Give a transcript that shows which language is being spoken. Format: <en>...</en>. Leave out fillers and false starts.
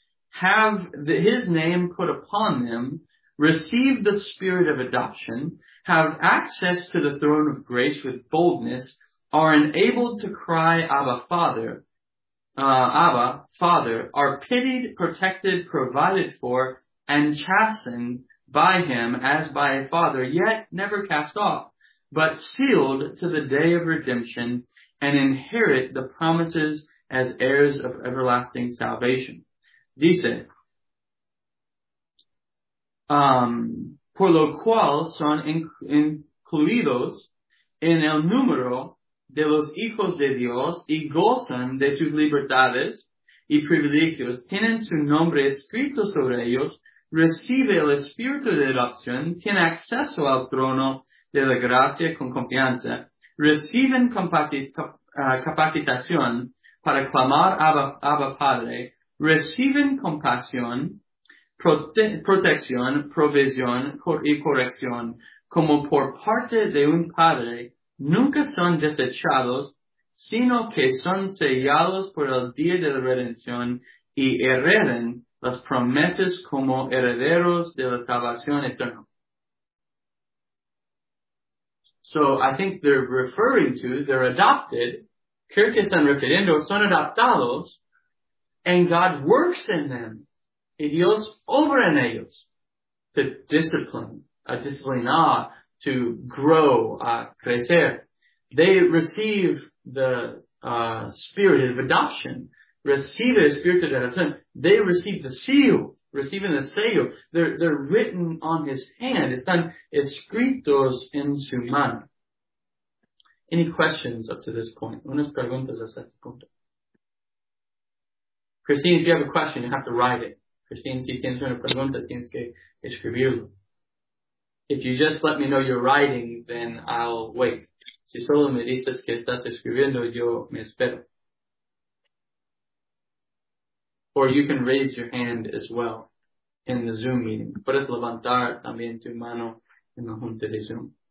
<en>Have his name put upon them, receive the spirit of adoption, have access to the throne of grace with boldness, are enabled to cry, Abba, Father, are pitied, protected, provided for, and chastened by him as by a father, yet never cast off, but sealed to the day of redemption, and inherit the promises as heirs of everlasting salvation.</en> <es>Dice, por lo cual son incluidos en el número de los hijos de Dios y gozan de sus libertades y privilegios, tienen su nombre escrito sobre ellos, recibe el espíritu de adopción, tiene acceso al trono de la gracia con confianza, reciben capacitación para clamar Abba Padre, reciben compasión, protección, provisión y corrección, como por parte de un padre. Nunca son desechados, sino que son sellados por el día de la redención y hereden las promesas como herederos de la salvación eterna.</es> <en>So, I think they're referring to, they're adopted.</en> <es>Creo que están refiriendo, son adoptados,</es> <en>and God works in them.</en> <es>y Dios obra en ellos</es> <en>to discipline,</en> <es>a disciplinar,</es> <en>to grow,</en> <es>a crecer.</es> <en>They receive the spirit of adoption, receive the spirit of adoption. They receive the seal, receiving the seal. They're written on his hand.</en> <es>Están escritos en su mano.</es> <en>Any questions up to this point?</en> <es>Unas preguntas hasta este punto.</es> <en>Christine, if you have a question, you have to write it.</en> <es>Christine, si tienes una pregunta, tienes que escribirlo.</es> <en>If you just let me know you're writing, then I'll wait.</en> <es>Si solo me dices que estás escribiendo, yo me espero.</es> <en>Or you can raise your hand as well in the Zoom meeting.</en> <es>Puedes levantar también tu mano en la junta de Zoom.</es>